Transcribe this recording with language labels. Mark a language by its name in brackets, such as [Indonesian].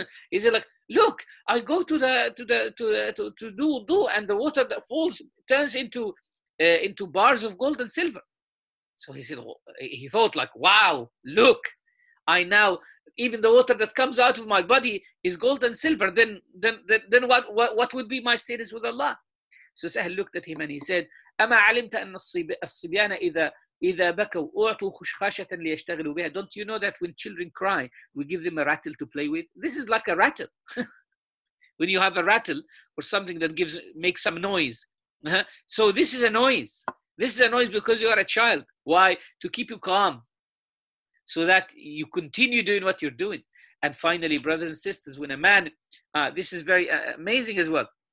[English] Is it like, look, I go to do and the water that falls turns into bars of gold and silver. So he thought like, wow, look, I now, even the water that comes out of my body is gold and silver. Then what would be my status with Allah? So Sahl looked at him and he said, [Arabic] أما علمت أن الصبيان إذا بكوا أعطوا خشخاشة ليشتغلوا بها. [English] Don't you know that when children cry, we give them a rattle to play with? This is like a rattle. When you have a rattle or something that makes some noise. So this is a noise. This is a noise because you are a child. Why? To keep you calm. So that you continue doing what you're doing. And finally, brothers and sisters, when a man, this is very amazing as well.